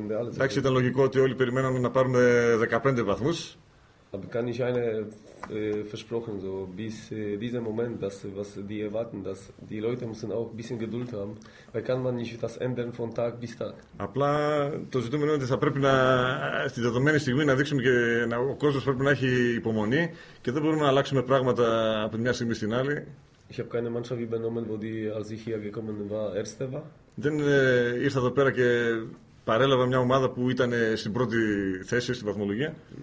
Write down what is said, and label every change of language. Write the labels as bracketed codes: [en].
[el] Εντάξει, ήταν λογικό ότι όλοι περιμέναμε να πάρουμε 15 βαθμούς. [de] Aber kann ich eine versprochen, so bis diesem Moment, dass was die erwarten, dass die Leute müssen auch ein bisschen Geduld haben, weil kann man nicht das ändern von Tag bis Tag. [el] Απλά το ζητούμενο είναι ότι θα πρέπει να στη δεδομένη στιγμή να δείξουμε και να, ο κόσμος πρέπει να έχει υπομονή και δεν μπορούμε να αλλάξουμε πράγματα από μια στιγμή στην άλλη. [de] Ich habe keine Mannschaft übernommen, wo die, als ich hier gekommen war, erste war. [el] Δεν ήρθα εδώ πέρα και παρέλαβα μια ομάδα που ήταν στην πρώτη θέση στην βαθμολογία.